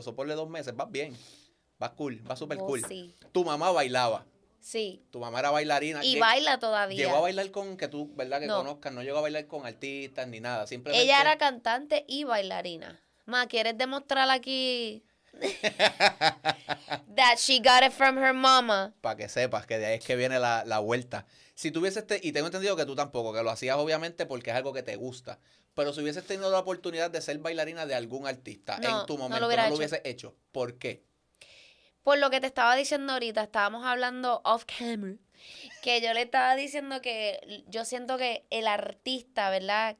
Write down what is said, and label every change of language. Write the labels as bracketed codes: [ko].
[es] Eso ponle 2 meses. Vas bien. Vas cool. Vas súper cool. Sí. Tu mamá bailaba. Sí. Tu mamá era bailarina. Y baila todavía. Llegó a bailar con, que tú, ¿verdad? Que no conozcas. No llegó a bailar con artistas ni nada. Simplemente. Ella era cantante y bailarina. Ma, ¿quieres demostrar aquí? [en] That she got it from her mama. [es] Para que sepas que de ahí es que viene la vuelta. Si tuvieses, y tengo entendido que tú tampoco, que lo hacías obviamente porque es algo que te gusta. Pero si hubieses tenido la oportunidad de ser bailarina de algún artista, no, en tu momento, no lo hubieses hecho. ¿Por qué? Por lo que te estaba diciendo ahorita, estábamos hablando off camera, que yo le estaba diciendo que yo siento que el artista, ¿verdad?